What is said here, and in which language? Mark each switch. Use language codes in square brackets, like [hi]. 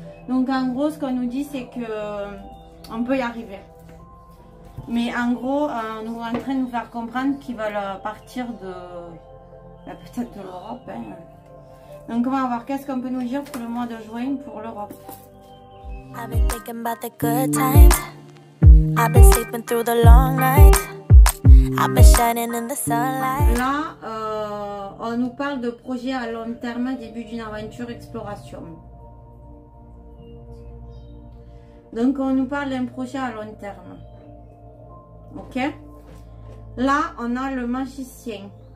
[fr] Donc, en gros, ce qu'on nous dit, c'est que on peut y arriver. Mais en gros, on est en train de nous faire comprendre qu'ils veulent partir de peut-être de l'Europe. Hein. Donc, on va voir qu'est-ce qu'on peut nous dire pour le mois de juin pour l'Europe. [en] I've been thinking about the good times. I've been sleeping through the long night. I've been shining in the sunlight. [fr] Là, on nous parle de projets à long terme, début d'une aventure, exploration. Donc, on nous parle d'un projet à long terme. Ok? Là, on a le magicien.